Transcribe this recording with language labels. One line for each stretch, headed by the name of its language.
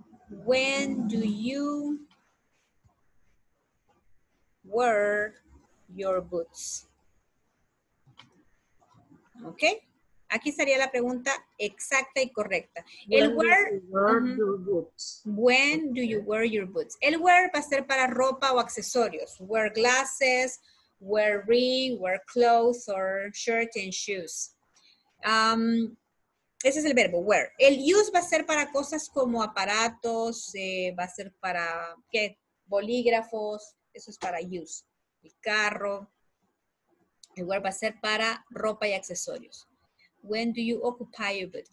English: When do you wear your boots?
Spanish: Ok. Aquí sería la pregunta exacta y correcta. El wear.
English: When do you wear your boots?
Spanish: El wear va a ser para ropa o accesorios.
English: Wear glasses, wear ring, wear clothes or shirt and shoes.
Spanish: Ese es el verbo, wear. El use va a ser para cosas como aparatos, va a ser para ¿qué? Bolígrafos, eso es para use. El carro. El wear va a ser para ropa y accesorios.
English: When do you occupy your boots?